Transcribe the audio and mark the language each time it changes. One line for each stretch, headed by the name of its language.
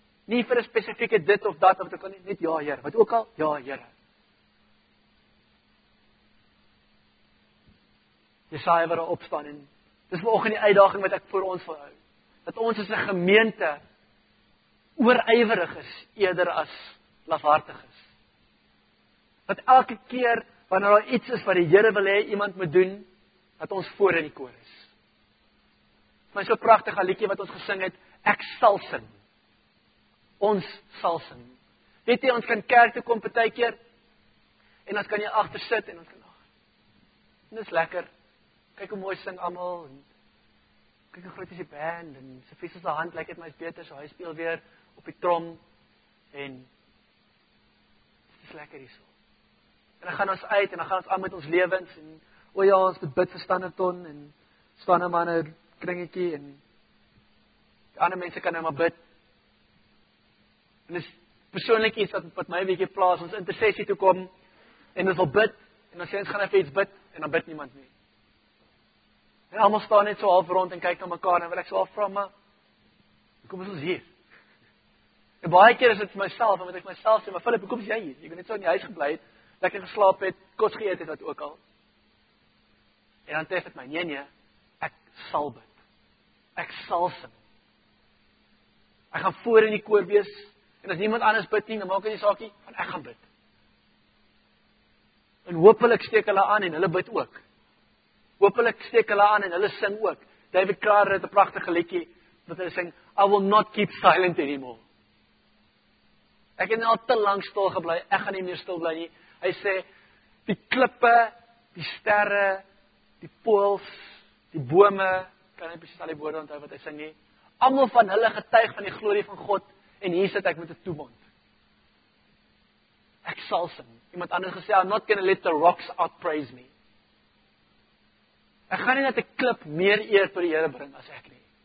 Afrikaans: Nie vir een spesifieke dit of dat, wat ek kan nie, net ja, Heer, wat ook al, ja, Heer. Jesaja wil opstaan, en dis vir oggend die uitdaging wat ek voor ons wil hou, dat ons as 'n gemeente oorywerig is, eerder as lafhartig is. Dat elke keer, wanneer daar iets is wat die Heer wil hê, iemand moet doen, dat ons voor in die koor is. My so prachtige liedjie wat ons gesing het, Ek sal sing. Ons sal sing. Weet jy, ons kan kerk toe kom partykeer keer, en ons kan jy agter sit, en ons kan agter. En dis lekker. Kyk hoe mooi sing allemaal, en kyk hoe groot is die band, en sy vies is die hand, lyk het my is beter, so hy speel weer op die trom, en dis lekker hier so. En dan gaan ons uit, en dan gaan ons aan met ons lewens, en o ja, ons moet bid vir Standerton, en Standermanne kringetjie, en die ander mense kan nou maar bid, en dit is persoonlik iets wat my weekie plaas, ons intercessie toe kom, en ons wil bid, en dan sê ons gaan even iets bid, en dan bid niemand nie. En allemaal staan net so half rond, en kyk na mekaar, en wil ek so afvraag, maar, hoekom is ons hier? En baie keer is dit vir myself, en wat ek myself sê, maar Philip, hoekom is jy hier? Jy kan net so in die huis geblei het, lekker geslaap het, kos geëet het, wat ook al. En dan tref het my, nee, ek sal bid. Ek sal sing. Ek gaan voor in die koor wees, en as niemand anders bid nie, dan maak ek die saakie, want ek gaan bid. En hoopelik steek hulle aan, en hulle bid ook. Hoopelik steek hulle aan, en hulle sing ook. David Klaar het een prachtige liedjie, wat hulle sing,
English: I will not keep silent anymore.
Afrikaans: Ek het al te lang stil geblei, ek gaan nie meer stil blei nie. Hy sê, die klippe, die sterre, die pools, die bome, kan nie precies al die woorde onthou wat hy sing nie, allemaal van hulle getuig van die glorie van God, en hier sit ek met die toemond. Ek sal sing. Iemand anders gesê,
English: I'm not gonna let the rocks outpraise me.
Afrikaans: Ek gaan nie dat die klip meer eer tot die Here bring as ek nie.